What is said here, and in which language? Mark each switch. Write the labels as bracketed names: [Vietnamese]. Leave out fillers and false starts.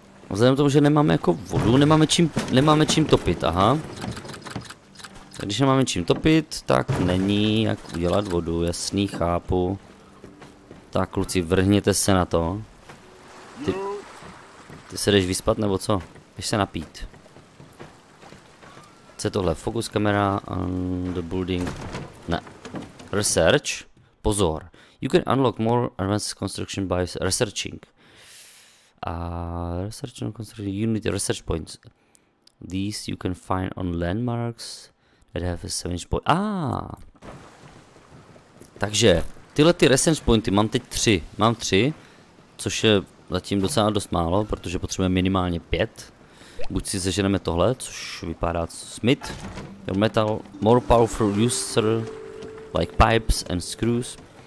[Czech] Vzhledem k tomu, že nemáme jako vodu, nemáme čím topit, aha. Když nemáme čím topit, tak není jak udělat vodu, jasný, chápu. Tak kluci, vrhněte se na to. Ty se jdeš vyspat nebo co? Jdeš se napít. Co je tohle? [English] Focus kamera on the building. Ne. Research? Pozor. You can unlock more advanced construction by researching. Research and construction, you need research points. These you can find on landmarks that have a 7 point. [Czech] Takže tyhle ty research pointy mám teď 3. Mám 3, což je zatím docela dost málo, protože potřebujeme minimálně 5. Buď si seženeme tohle, což vypadá smith. [English] Your metal more powerful user like pipes and screws.